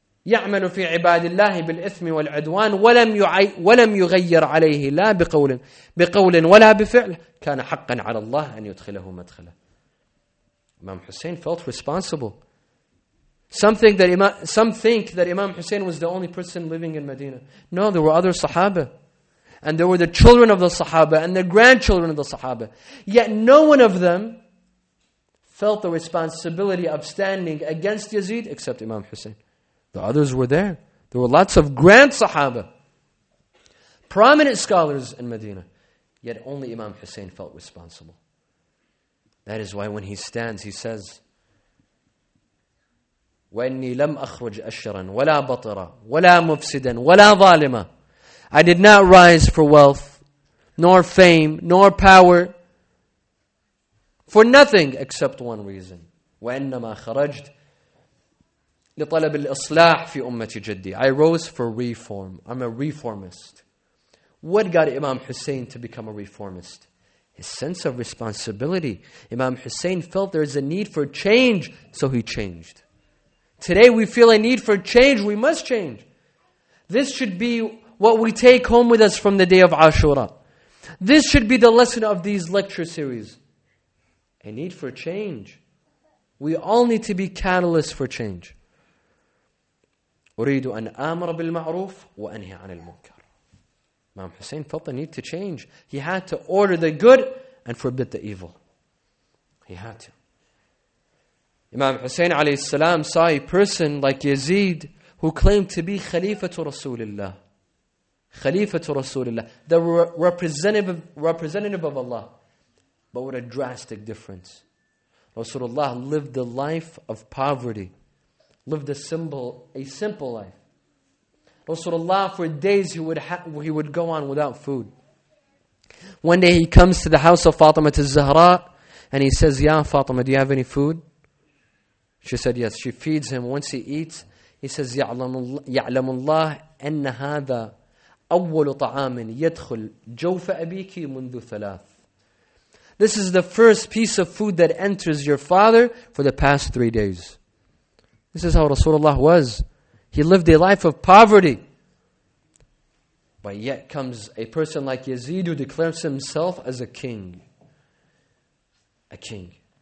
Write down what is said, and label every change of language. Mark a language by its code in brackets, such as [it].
[ar] يعمل في عباد الله بالإثم والعدوان ولم يغير عليه لا بقول ولا بفعل كان حقا على الله أن يدخله مدخله. [en] Imam Hussein felt responsible. Some think that Imam Hussein was the only person living in Medina. No, there were other Sahaba. And there were the children of the Sahaba and the grandchildren of the Sahaba. Yet no one of them felt the responsibility of standing against Yazid except Imam Hussein. The others were there. There were lots of grand Sahaba, prominent scholars in Medina. Yet only Imam Hussein felt responsible. That is why when he stands, he says, [ar] وَإِنِّي لَمْ أَخْرُجْ أَشْرًا وَلَا بَطَرًا وَلَا مُفْسِدًا وَلَا ظَالِمًا. [en] I did not rise for wealth, nor fame, nor power, for nothing except one reason. [ar] وَإِنَّمَا خَرَجْتْ لِطَلَبِ الْإِصْلَاحِ فِي أُمَّةِ جَدِّي. [en] I rose for reform. I'm a reformist. What got Imam Hussein to become a reformist? His sense of responsibility. Imam Hussein felt there is a need for change, so he changed. Today we feel a need for change, we must change. This should be what we take home with us from the day of Ashura. This should be the lesson of these lecture series. A need for change. We all need to be catalysts for change. [ar] أريد أن آمر بالمعروف وأنهي عن المنكر. [en] Imam Hussein felt the need to change. He had to order the good and forbid the evil. He had to. Imam Hussein alayhi salam saw a person like Yazid who claimed to be Khalifatu Rasulullah. Khalifatu Rasulullah. The representative of Allah. But what a drastic difference. Rasulullah lived the life of poverty. Lived a simple life. Rasulullah, for days he would go on without food. One day he comes to the house of Fatima al-Zahra and he says, Ya Fatima, do you have any food? She said, yes. She feeds him. Once he eats, he says, [ar] يَعْلَمُ اللَّهِ أَنَّ هَذَا أَوَّلُ طَعَامٍ يَدْخُلْ جَوْفَ أَبِيكِ مُنْذُ ثَلَاثٍ. [en] This is the first piece of food that enters your father for the past 3 days. This is how Rasulullah was. He lived a life of poverty. But yet comes a person like Yazid who declares himself as a king. A king.